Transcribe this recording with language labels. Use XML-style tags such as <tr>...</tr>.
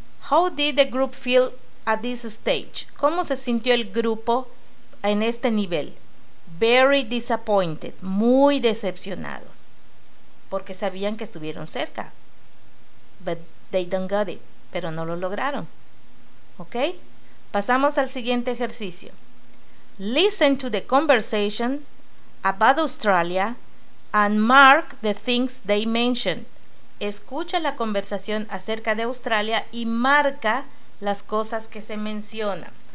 <en>How did the group feel at this stage?</en> <es>¿Cómo se sintió el grupo en este nivel?</es> <en>Very disappointed.</en> <es>Muy decepcionados. Porque sabían que estuvieron cerca.</es> <en>But they don't got it.</en> <es>Pero no lo lograron. ¿Ok? Pasamos al siguiente ejercicio.</es> <en>Listen to the conversation about Australia and mark the things they mentioned.</en> <es>Escucha la conversación acerca de Australia y marca las cosas que se mencionan.</es>